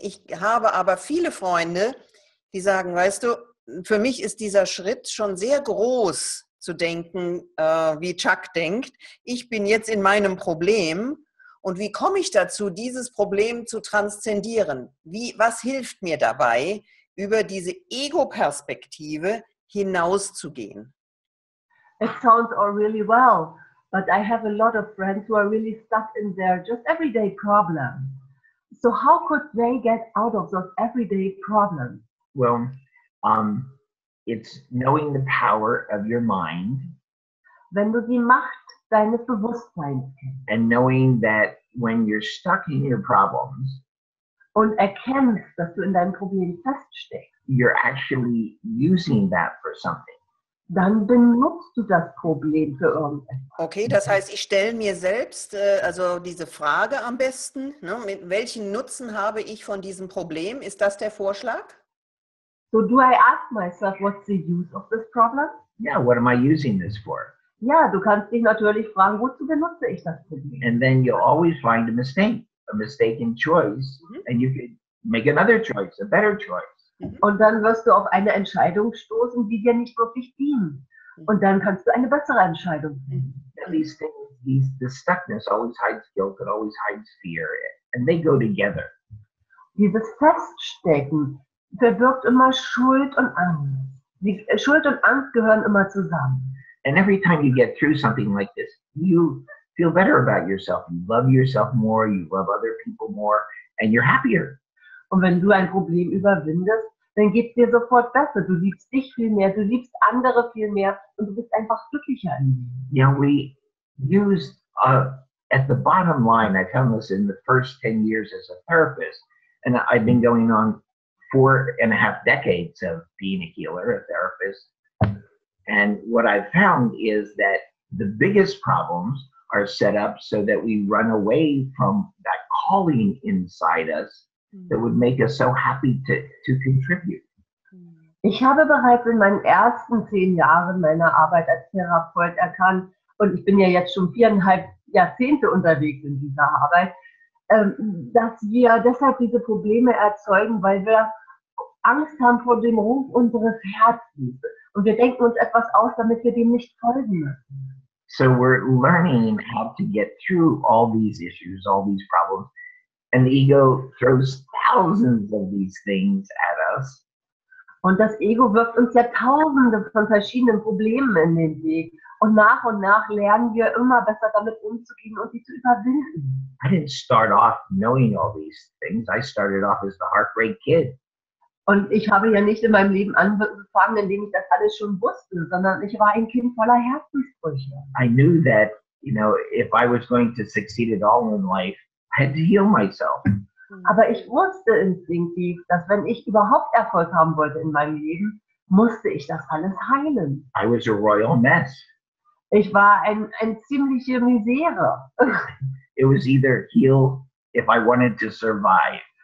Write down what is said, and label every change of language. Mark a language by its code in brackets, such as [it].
[de] Ich habe aber viele Freunde, die sagen, weißt du, für mich ist dieser Schritt schon sehr groß, zu denken, wie Chuck denkt, ich bin jetzt in meinem Problem und wie komme ich dazu, dieses Problem zu transzendieren? Was hilft mir dabei, über diese Ego-Perspektive hinauszugehen? [en] It sounds all really well, but I have a lot of friends who are really stuck in their just everyday problems. So how could they get out of those everyday problems? Well, it's knowing the power of your mind. [de] Wenn du die Macht deines Bewusstseins kennst. [en] And knowing that when you're stuck in your problems. [de] Und erkennst, dass du in deinem Problem feststeckst. [en] You're actually using that for something. [de] Dann benutzt du das Problem für irgendetwas. Okay, das heißt, ich stelle mir selbst also diese Frage am besten. Ne? Mit welchen Nutzen habe ich von diesem Problem? Ist das der Vorschlag? [en] So do I ask myself, what's the use of this problem? Yeah, what am I using this for? [de] Ja, du kannst dich natürlich fragen, wozu benutze ich das Problem? [en] And then you'll always find a mistake in choice, and you can make another choice, a better choice. [de] Und dann wirst du auf eine Entscheidung stoßen, die dir nicht wirklich dient. Und dann kannst du eine bessere Entscheidung finden. [en] At least the stuckness always hides guilt, it always hides fear, and they go together. [de] Dieses Feststecken verbirgt immer Schuld und Angst. Schuld und Angst gehören immer zusammen. [en] And every time you get through something like this, you feel better about yourself. You love yourself more, you love other people more, and you're happier. [de] Und wenn du ein Problem überwindest, dann geht's dir sofort besser. Du liebst dich viel mehr, du liebst andere viel mehr und du bist einfach glücklicher. [en] Yeah, we use, at the bottom line, I found this in the first 10 years as a therapist, and I've been going on 4.5 decades of being a healer, a therapist. And what I've found is that the biggest problems are set up so that we run away from that calling inside us that would make us so happy to contribute. [de] Ich habe bereits in meinen ersten 10 Jahren meiner Arbeit als Therapeut erkannt, und ich bin ja jetzt schon 4.5 Jahrzehnte unterwegs in dieser Arbeit, dass wir deshalb diese Probleme erzeugen, weil wir Angst haben vor dem Ruf unseres Herzens. Und wir denken uns etwas aus, damit wir dem nicht folgen müssen. [en] So we're learning how to get through all these issues, all these problems. And the ego throws thousands of these things at us. [de] Und das Ego wirft uns ja tausende von verschiedenen Problemen in den Weg. Und nach lernen wir immer besser damit umzugehen und sie zu überwinden. [en] I didn't start off knowing all these things. I started off as the heartbreak kid. [de] Und ich habe ja nicht in meinem Leben angefangen, indem ich das alles schon wusste, sondern ich war ein Kind voller Herzensbrüche. [en] I knew that, you know, if I was going to succeed at all in life, I had to heal myself. [de] Aber ich wusste instinktiv, dass wenn ich überhaupt Erfolg haben wollte in meinem Leben, musste ich das alles heilen. [en] I was a royal mess. [de] Ich war ein ziemliche Misere. [en] It was either heal if I wanted to survive.